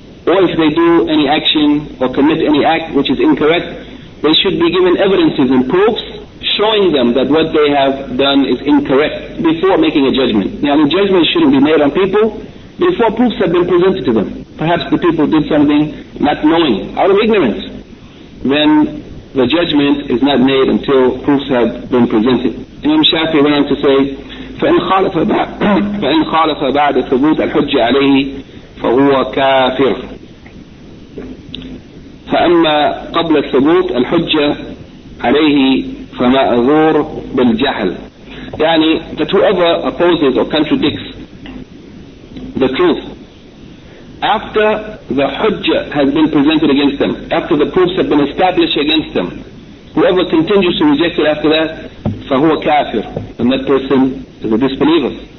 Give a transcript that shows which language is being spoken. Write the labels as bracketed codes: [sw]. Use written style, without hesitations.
[en] Or if they do any action or commit any act which is incorrect, they should be given evidences and proofs showing them that what they have done is incorrect before making a judgment. Now, the judgment shouldn't be made on people before proofs have been presented to them. Perhaps the people did something not knowing, out of ignorance. Then the judgment is not made until proofs have been presented. Imam Shafi went on to say, [ar] فَإِنْ خَالَفَ بَعْدَ ثُبُوتَ الْحُجَّ عَلَيْهِ فَهُوَ كَافِرٌ فَأَمَّا قَبْلَ ثُبُوتَ الْحُجَّ عَلَيْهِ فَمَا أَذُورُ بِالْجَهْلِ. يعني [en] that whoever opposes or contradicts the truth after the hujjah has been presented against them, after the proofs have been established against them, whoever continues to reject it after that, [ar] فَهُوَ كَافِرٌ, [en] and that person is a disbeliever.